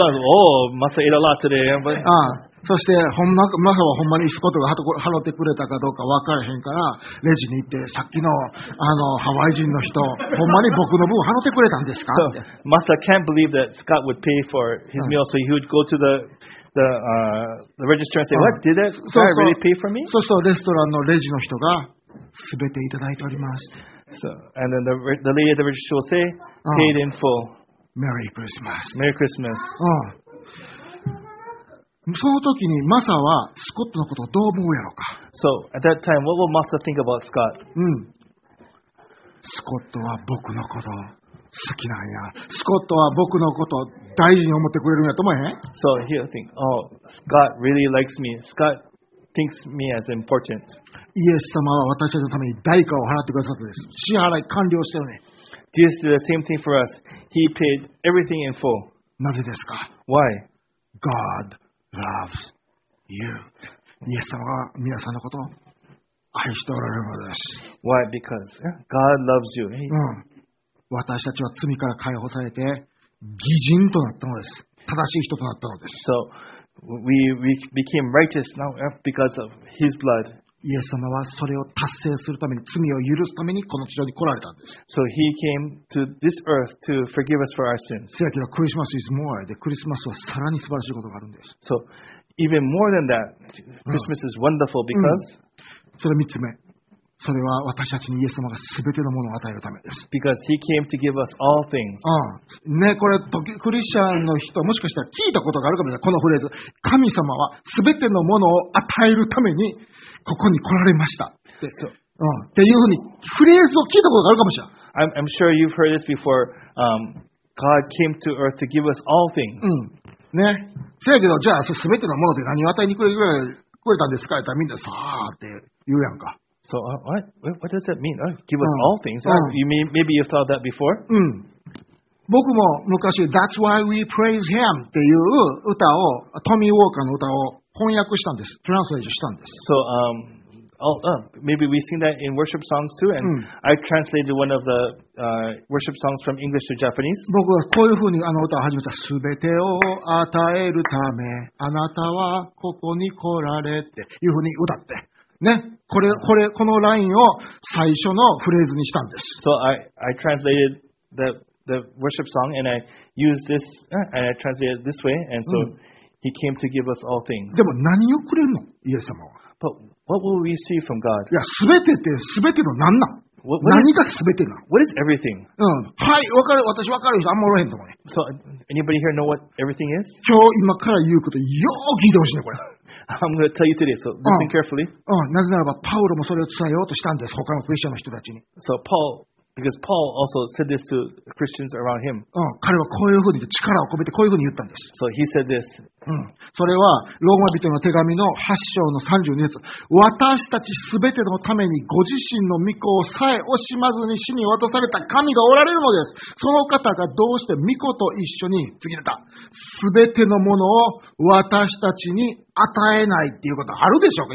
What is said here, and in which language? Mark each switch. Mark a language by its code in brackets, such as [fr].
[en] Oh, must have ate a lot today. [ja] そして、マサはほんまにスコットが払ってくれたかどうか分からへんから、レジに行って、さっきのハワイ人の人、ほんまに僕の分払ってくれたんですか？ [en] マサ can't believe that Scott would pay for his meal, so he would go to the... the register and say, What did that guy really pay for me? [ja] そうそう、レストランのレジの人が全ていただいております。 [en] So, and then the lady at the register will say, Paid in full. Merry Christmas. Merry Christmas. [ja] その時にマサはスコットのことをどう思うやろうか。 [en] So, at that time, what will Masa think about Scott? [ja] スコットは僕のこと好きなんや。スコットは僕のこと大事に思ってくれるんやと思えへん。 [en] So he'll think, oh, Scott really likes me. Scott thinks me as important. [ja] イエス様は私たちのために代価を払ってくださったんです。支払い完了してるね。 [en] Jesus did the same thing for us. He paid everything in full. [ja] なぜですか？ [en] Why? God loves you. [ja] イエス様は皆さんのことを愛しておられるのです。 [en] Why? Because God loves you. [ja] 私たちは罪から解放されて義人となったのです。正しい人となったのです。 [en] So, we became righteous now because of his blood. [ja] イエス様はそれを達成するために、罪を許すためにこの地上に来られたんです。 [en] So, he came to this earth to forgive us for our sins. [ja] せやけど、クリスマス [en] is more. [ja] で、クリスマスはさらに素晴らしいことがあるんです。 [en] So, even more than that, Christmas is wonderful because...、 [ja] それ三つ目。それは私たちにイエス様がすべてのものを与えるためです。 [en] Because he came to give us all things. [ja] ね、これクリスチャンの人もしかしたら聞いたことがあるかもしれない。このフレーズ、神様はすべてのものを与えるためにここに来られました。で、そう。っていうふうにフレーズを聞いたことがあるかもしれない。 [en] I'm sure you've heard this before. God came to earth to give us all things. [ja] ね。せやけどじゃあすべてのもので何を与えにくれたんですかってみんなさーって言うやんか。 [en] So, what does that mean? Give us all things. Maybe you thought that before. [ja] 僕も昔、 [en] That's why we praise him [ja] っていう歌を、トミー・ウォーカーの歌を翻訳したんです。Translate したんです。 [en] So, maybe we sing that in worship songs too, and I translated one of the worship songs from English to Japanese. [ja] 僕はこういうふうにあの歌を始めた。すべてを与えるため、あなたはここに来られっていうふうに歌って。ね、これこのラインを最初のフレーズにしたんです。 [en] So I translated the worship song and I used this and I translated this way and so he came to give us all things. [ja] でも何をくれるの、イエス様は。 [en] But what will we receive from God? [ja] いや、すべてってすべての何なん。何がすべてなの。 [en] What is everything? [ja] はい、わかる。私わかる人あんまおらへんと思うね。 [en] So anybody here know what everything is? [ja] 今日今から言うことよく聞いてほしいねこれ。 [en] I'm going to tell you today, so listen carefully. [ja] なぜならばパウロもそれを伝えようとしたんです。他のクリスチャンの人たちに。 [en] So Paul, because Paul also said this to Christians around him. [ja] 彼はこういうふうに力を込めてこういうふうに言ったんです。 [en] So he said this. [ja] それはローマ人の手紙の8章の32節。私たちすべてのためにご自身の御子をさえ惜しまずに死に渡された神がおられるのです。その方がどうして御子と一緒に次の歌、すべてのものを私たちに与えないっていうことあるでしょうか。